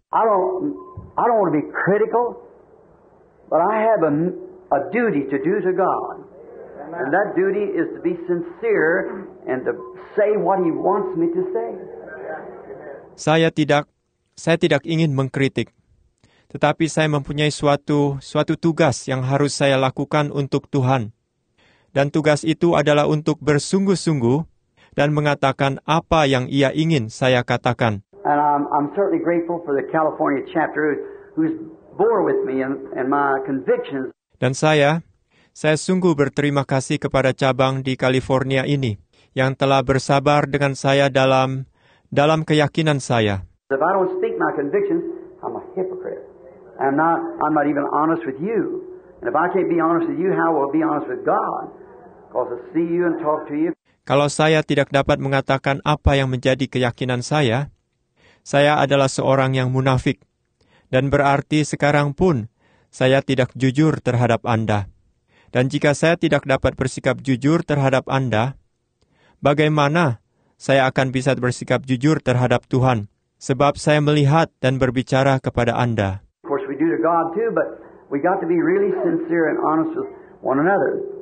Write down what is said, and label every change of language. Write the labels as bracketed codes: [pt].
[en] I don't want to be critical, but I have a duty to do to God. And that duty is to be sincere and to say what he wants me to say. [id] Saya tidak ingin mengkritik, tetapi saya mempunyai suatu tugas yang harus saya lakukan untuk Tuhan. Dan tugas itu adalah untuk bersungguh-sungguh dan mengatakan apa yang ia ingin saya katakan. [en] And I'm certainly grateful for the California chapter who's bore with me and my convictions. [id] Dan saya sungguh berterima kasih kepada cabang di California ini yang telah bersabar dengan saya dalam keyakinan saya. [en] If I don't speak my convictions, I'm a hypocrite. I'm not even honest with you. And if I can't be honest with you, how will I be honest with God? Because I see you and talk to you. [id] Kalau saya tidak dapat mengatakan apa yang menjadi keyakinan saya, saya adalah seorang yang munafik. Dan berarti sekarang pun saya tidak jujur terhadap Anda. Dan jika saya tidak dapat bersikap jujur terhadap Anda, bagaimana saya akan bisa bersikap jujur terhadap Tuhan? Sebab saya melihat dan berbicara kepada Anda. [en] Of course we do to God too, but we got to be really sincere and honest with one another.